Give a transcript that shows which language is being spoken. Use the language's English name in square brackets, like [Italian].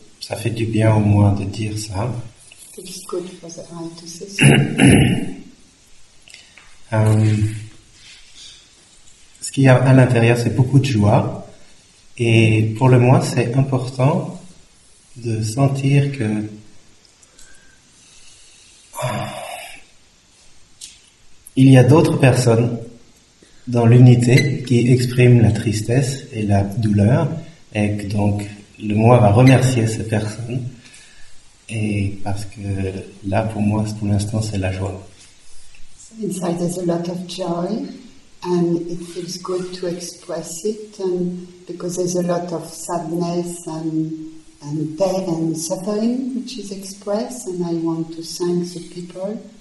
[French] ça fait du bien au moins de dire ça. [English] It's good for the eye to say so. [French] Ce qu'il y a à l'intérieur, c'est beaucoup de joie. Et pour le moi, c'est important de sentir que... Il y a d'autres personnes dans l'unité qui expriment la tristesse et la douleur. Et que donc... Le moi va remercier ces personnes, et parce que là, pour moi, pour l'instant, c'est la joie. [English] So inside, there's a lot of joy, and it feels good to express it, and because there's a lot of sadness and pain and suffering which is expressed, and I want to thank the people.